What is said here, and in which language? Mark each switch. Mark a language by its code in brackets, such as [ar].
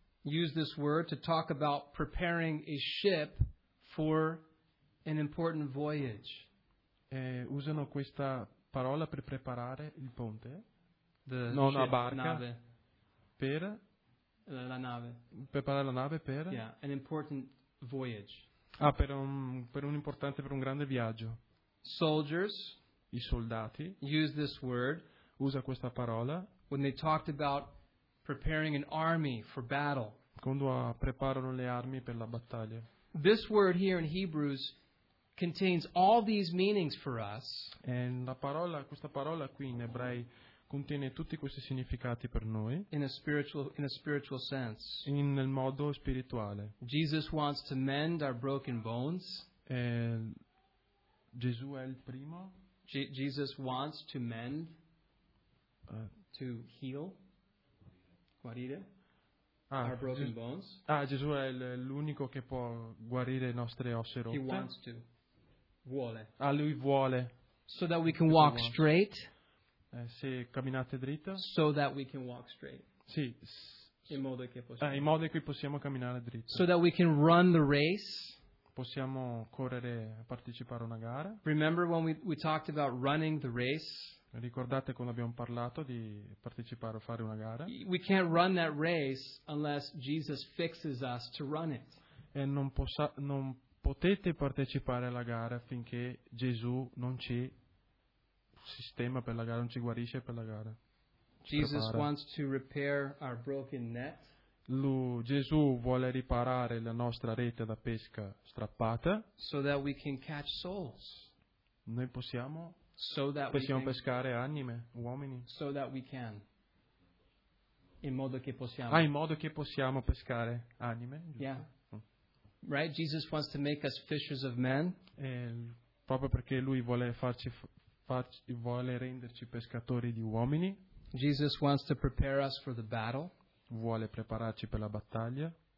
[en] Use this word to talk about preparing a ship for an important voyage. [it] Usano questa parola per preparare il ponte. La barca. Nave. Per la nave. Preparare la nave per. [en] Yeah, an important voyage. [it] Ah, per un grande viaggio. [en] Soldiers. [it] I soldati. [en] Use this word. [it] Usa questa parola. [en] When they talked about preparing an army for battle. [it] Quando preparano le armi per la battaglia. [en] This word here in Hebrews contains all these meanings for us. [it] Questa parola qui in ebrei contiene tutti questi significati per noi. [en] In a spiritual sense. [it] In nel modo spirituale. [en] Jesus wants to mend our broken bones. [it] Gesù è il primo. [en] Jesus wants to mend. To heal, guarire our broken bones. [it] Ah, Gesù è l'unico che può guarire le nostre ossa rotte. [en] He wants to. Vuole. [it] Ah, lui vuole. [en] So that we can walk straight. [it] Se camminate dritto. [en] So that we can walk straight. [it] Sì. In modo in cui possiamo camminare dritto. [en] So that we can run the race. [it] Possiamo correre, partecipare a una gara. [en] Remember when we talked about running the race? [it] Ricordate quando abbiamo parlato di partecipare o fare una gara? [en] We can't run that race unless Jesus fixes us to run it. [it] E non potete partecipare alla gara finché Gesù non ci sistema per la gara, non ci guarisce per la gara. [en] Jesus wants to repair our broken net. [it] Gesù vuole riparare la nostra rete da pesca strappata. [en] So that we can catch souls. [it] Noi possiamo. [en] So that [it] possiamo pescare anime, uomini. [en] So that we can. [it] In modo che possiamo. In modo che possiamo pescare anime. Giusto? [en] Yeah. Right, Jesus wants to make us fishers of men. [it] Proprio perché lui vuole vuole renderci pescatori di uomini. [en] Jesus wants to prepare us for the battle. [it] Vuole prepararci per la battaglia.